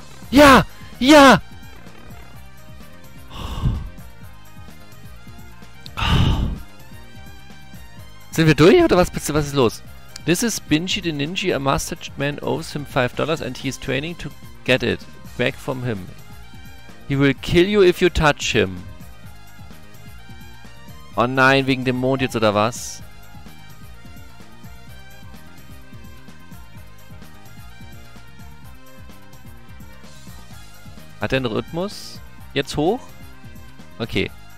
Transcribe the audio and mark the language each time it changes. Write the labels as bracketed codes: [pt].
[de] Ja! Ja! Sind wir durch oder was ist los? [en] This is Binji the Ninja, a masked man owes him $5 and he is training to get it back from him. He will kill you if you touch him. [de] Oh nein, wegen dem Mond jetzt oder was? Hat er einen Rhythmus? Jetzt hoch? Okay.